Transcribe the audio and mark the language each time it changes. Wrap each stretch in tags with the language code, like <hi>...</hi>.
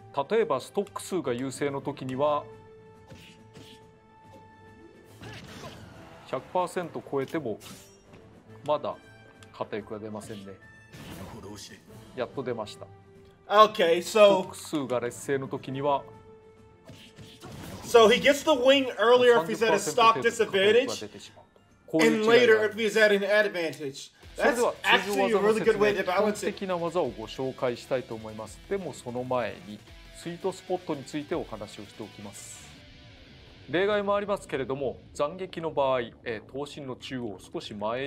<ja>例えばストック数が優勢の時には 100% 超えてもまだ肩翼が出ませんね。やっと出ました。</ja> <en>Okay, so...</en> <ja>ストック数が劣勢の時には</ja> <en>So he gets the wing earlier if he's at a stock disadvantage and later if he's at an advantage. That's actually a really good way to balance it.</en> <ja>基本的な技をご紹介したいと思います。でもその前にスイートスポットについてお話をしておきます。例外もありますけれども、斬撃の場合、刀身の中央少し前</ja>